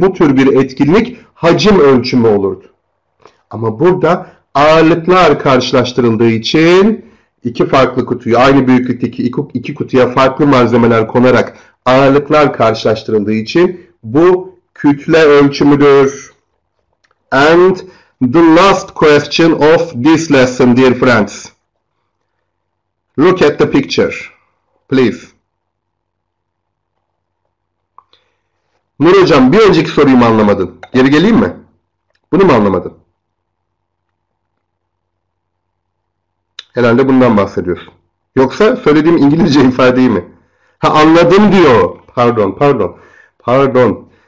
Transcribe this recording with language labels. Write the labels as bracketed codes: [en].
[tr] Bu tür bir etkinlik hacim ölçümü olurdu. Ama burada ağırlıklar karşılaştırıldığı için iki farklı kutuyu, aynı büyüklükteki iki kutuya farklı malzemeler konarak ağırlıklar karşılaştırıldığı için bu kütle ölçümüdür. [en] And the last question of this lesson, dear friends. Look at the picture, please. [tr] Nur Hocam, bir önceki soruyu mu anlamadın? Geri geleyim mi? Bunu mu anlamadın? Herhalde bundan bahsediyorsun. Yoksa söylediğim İngilizce ifadeyi mi? Ha, anladım diyor. Pardon.